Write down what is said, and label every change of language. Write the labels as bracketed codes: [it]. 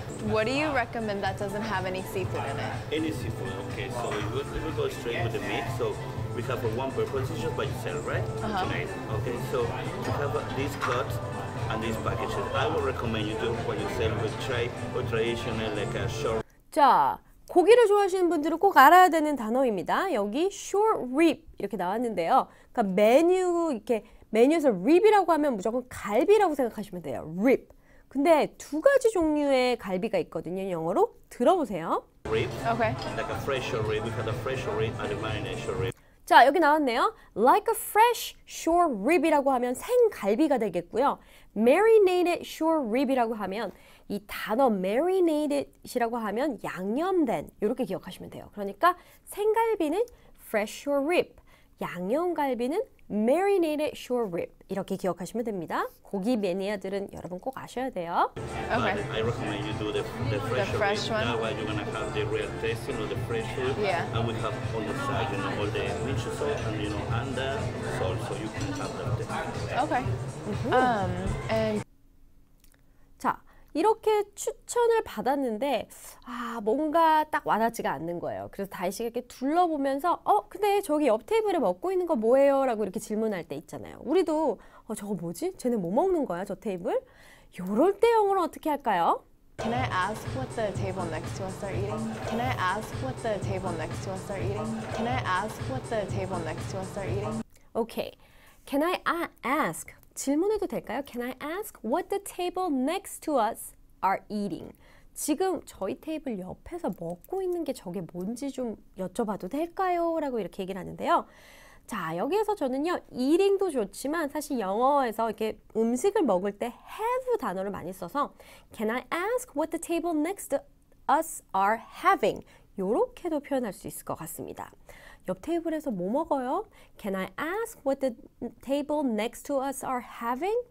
[en] What do you recommend that doesn't have any seafood in it? Any seafood, okay. So we go straight with the meat. So we have one per position by itself, right? Uh-huh. Okay, so we have these cuts and these packages. I would recommend you do what you say with tray or traditional like a short. [ko] 자, 고기를 좋아하시는 분들은 꼭 알아야 되는 단어입니다. 여기 short rib 이렇게 나왔는데요. 그러니까 메뉴 이렇게 메뉴에서 rib이라고 하면 무조건 갈비라고 생각하시면 돼요. [en] rib. [ko] 근데 두 가지 종류의 갈비가 있거든요. 영어로 들어보세요. [en] rib. Okay. Like a fresh short rib. We have a fresh short rib and a marinated short rib. [ko] 자, 여기 나왔네요. [en] Like a fresh short rib [ko] 이라고 하면 생갈비가 되겠고요. Marinated short rib이라고 하면 이 단어 marinated이라고 하면 양념된 이렇게 기억하시면 돼요. 그러니까 생갈비는 fresh short rib, 양념갈비는 marinated short rib 이렇게 기억하시면 됩니다. 고기 매니아들은 여러분 꼭 아셔야 돼요. [en] Okay. I recommend you do the fresh one. That way you're gonna have the real taste, you know, the fresh food. Yeah. And we have on the side, you know, all the miso sauce and you know and the salt, so you can have that. Okay. Mm-hmm. And [ko] 자, 이렇게 추천을 받았는데 뭔가 딱 와닿지가 않는 거예요. 그래서 다혜 씨가 이렇게 둘러보면서 근데 저기 옆 테이블에 먹고 있는 거 뭐예요? 라고 이렇게 질문할 때 있잖아요. 우리도 저거 뭐지? 쟤네 뭐 먹는 거야, 저 테이블? 이럴 때 영어는 어떻게 할까요? [en] Can I ask what the table next to us are eating? Can I ask what the table next to us are eating? Can I ask what the table next to us are eating? Okay. Can I ask? [ko] 질문해도 될까요? [en] Can I ask what the table next to us are eating? [ko] 지금 저희 테이블 옆에서 먹고 있는 게 저게 뭔지 좀 여쭤봐도 될까요? 라고 이렇게 얘기를 하는데요. 자, 여기에서 저는요, eating도 좋지만 사실 영어에서 이렇게 음식을 먹을 때 have 단어를 많이 써서 [en] Can I ask what the table next to us are having? [ko] 이렇게도 표현할 수 있을 것 같습니다. 옆 테이블에서 뭐 먹어요? [en] Can I ask what the table next to us are having?